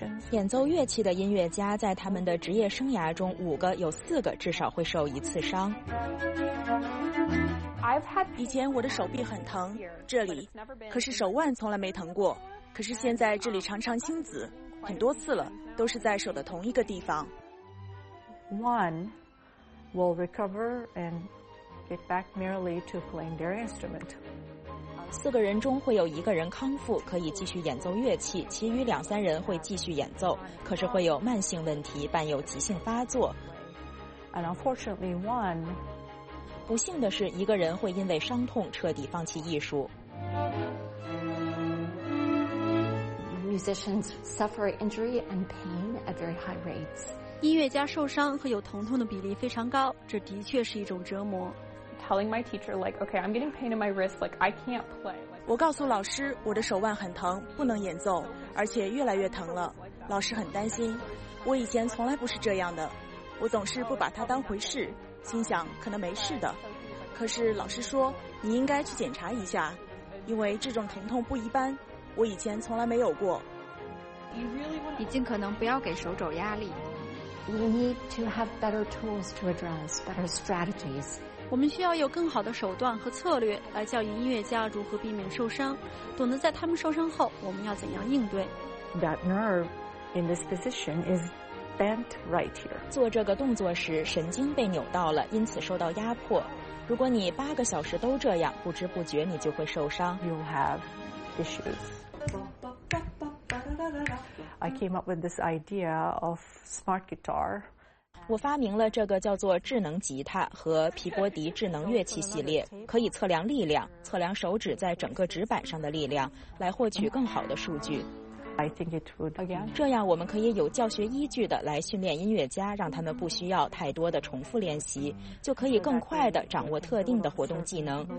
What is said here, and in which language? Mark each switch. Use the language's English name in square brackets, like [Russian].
[Chinese] 演奏乐器的音乐家在他们的职业生涯中，五个有四个至少会受一次伤。以前我的手臂很疼，这里，可是手腕从来没疼过。可是现在这里常常青紫，很多次了，都是在手的同一个地方。 [English] One will recover and get back merely to playing their instrument. [Chinese] 四个人中会有一个人康复，可以继续演奏乐器，其余两三人会继续演奏，可是会有慢性问题，伴有急性发作。 [English] And unfortunately, one. [Chinese] 不幸的是，一个人会因为伤痛彻底放弃艺术。 [English] Musicians suffer injury and pain at very high rates. [Chinese] 音乐家受伤和有疼痛的比例非常高，这的确是一种折磨。 [English] Telling my teacher, like, okay, I'm getting pain in my wrist, like, I can't play. [Chinese] 我告诉老师，我的手腕很疼，不能演奏，而且越来越疼了。老师很担心。我以前从来不是这样的，我总是不把它当回事，心想可能没事的。可是老师说，你应该去检查一下，因为这种疼痛不一般，我以前从来没有过。你尽可能不要给手肘压力。 [English] We need to have better tools to address, better strategies. [Chinese] 我们需要有更好的手段和策略来教育音乐家如何避免受伤，懂得在他们受伤后我们要怎样应对。 [English] That nerve in this position is bent right here. [Chinese] 做这个动作时神经被扭到了，因此受到压迫。如果你八个小时都这样，不知不觉你就会受伤。 [English] You have issues. I came up with this idea of smart guitar. [Chinese] 我发明了这个叫做智能吉他和皮波迪智能乐器系列，可以测量力量，测量手指在整个指板上的力量，来获取更好的数据。 [English] I think it would. [Chinese] 这样我们可以有教学依据的来训练音乐家，让他们不需要太多的重复练习，就可以更快地掌握特定的活动技能。